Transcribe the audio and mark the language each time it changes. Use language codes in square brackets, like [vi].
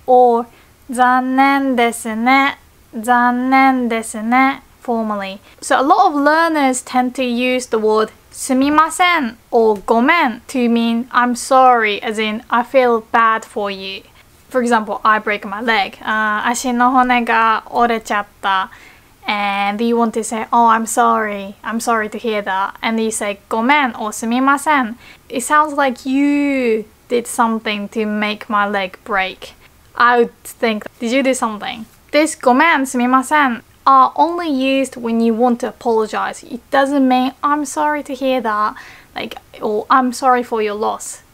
[en] Or, [ja] 残念ですね、残念ですね。 [en] Formally. So a lot of learners tend to use the word sumimasen or gomen to mean I'm sorry, as in I feel bad for you. For example, I break my leg. [ja] 足の骨が折れちゃった. [en] And you want to say, oh, I'm sorry to hear that. And you say gomen or sumimasen. It sounds like you did something to make my leg break. I would think, did you do something? This gomen, sumimasen. Are only used when you want to apologize. It doesn't mean I'm sorry to hear that, like, or I'm sorry for your loss.